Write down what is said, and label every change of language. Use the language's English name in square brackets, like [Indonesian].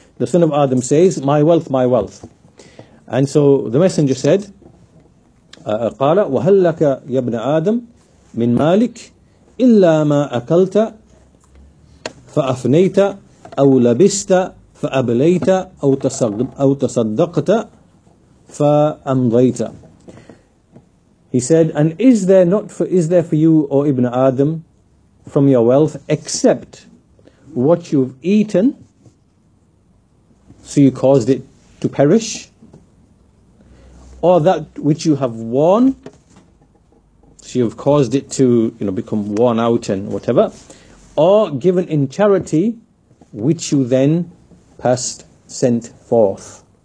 [English] The son of Adam says, my wealth, my wealth. And so the Messenger said, [Arabic] قال وهل لك يا ابن آدم من مالك إلا ما أكلت فأفنيت أو لبست فأبليت أو تصدقت فأمضيت. [English] He said, and is there for you, O Ibn Adam, from your wealth except what you've eaten, so you caused it to perish, or that which you have worn, so you've caused it to, you know, become worn out and whatever, or given in charity, which you then passed sent forth.